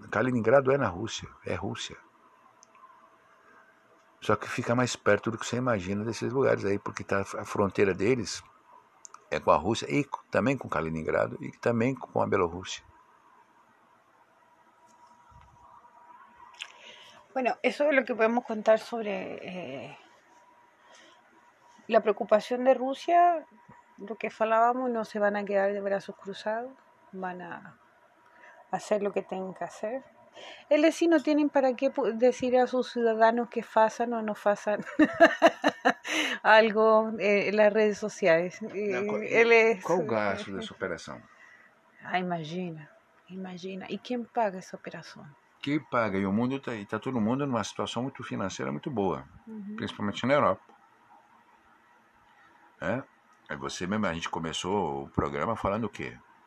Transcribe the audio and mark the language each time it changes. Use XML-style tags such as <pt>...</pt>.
<pt>Kaliningrado é na Rússia, é Rússia. Só que fica mais perto do que você imagina desses lugares aí, porque tá, a fronteira deles é com a Rússia e também com Kaliningrado e também com a Bielorrússia.</pt> <es>Bueno, eso es lo que podemos contar sobre la preocupación de Rusia. Lo que falábamos, no se van a quedar de brazos cruzados, van a hacer lo que tienen que hacer. Ellos sí no tienen para qué decir a sus ciudadanos que fasan o no fasan algo en las redes sociales.</es> <pt>E qual o gasto dessa operação? Ah, imagina, imagina. E quem paga essa operação? Quem paga? E o mundo está tá todo mundo numa situação muito financeira muito boa, principalmente na Europa. É você mesmo, a gente começou o programa falando o quê?</pt>